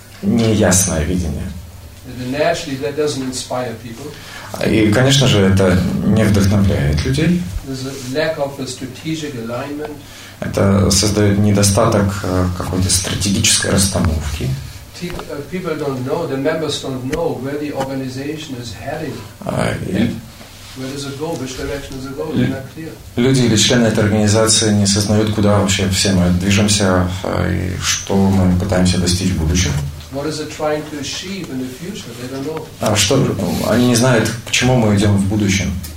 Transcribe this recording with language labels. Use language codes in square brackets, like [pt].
[ru] Неясное видение. [en] And naturally, that doesn't inspire people. [ru] И, конечно же, это не вдохновляет людей. [en] There's a lack of a strategic alignment. [ru] Это создает недостаток какой-то стратегической расстановки. [en] People don't know, the members don't know where the organization is heading. Where does it go? Which direction does it go? They're not clear. [ru] Люди или члены этой организации не осознают, куда вообще все мы движемся и что мы пытаемся достичь в будущем. [en] What is it trying to achieve in the future? They don't know. [ru] Что они не знают, к чему мы идем в будущем.